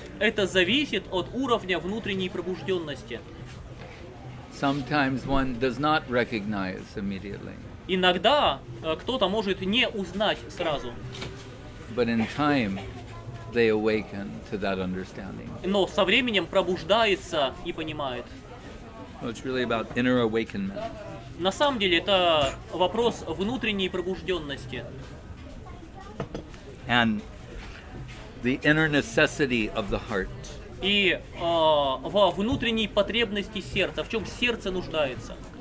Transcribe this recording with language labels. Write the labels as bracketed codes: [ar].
[ru] Это зависит от уровня внутренней пробужденности. [en] Sometimes one does not recognize immediately. [ru] Иногда кто-то может не узнать сразу. [en] But in time, they awaken to that understanding. [ru] Но со временем пробуждается и понимает. [en] Well, it's really about inner awakenment. [ru] На самом деле это вопрос внутренней пробужденности. [en] And the inner necessity of the heart. [ru] И во внутренней потребности сердца, в чем сердце нуждается.